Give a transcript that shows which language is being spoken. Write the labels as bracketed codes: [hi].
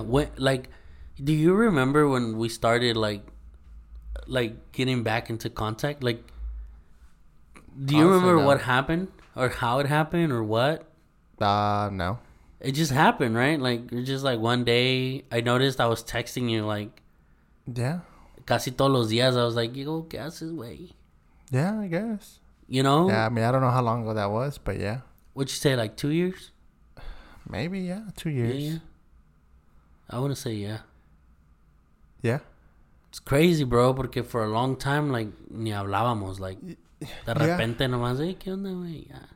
[en] When, like, do you remember when we started like getting back into contact? Like, do you remember what happened or how it happened or what? No. It just happened, right? Like, it's just like one day I noticed I was texting you, like, yeah, [es] casi todos los días. [en] I was like, yo, [es] ¿qué haces, güey? [en] Yeah, I guess. You know? Yeah, I mean, I don't know how long ago that was, but yeah. Would you say like 2 years? Maybe, yeah, 2 years. Yeah, yeah. I want to say yeah. Yeah. It's crazy, bro, [es] porque [en] for a long time, like, [es] ni hablábamos, [en] like, [es] de repente nomás, [en] hey, [es] ¿qué onda, güey? [en] Yeah.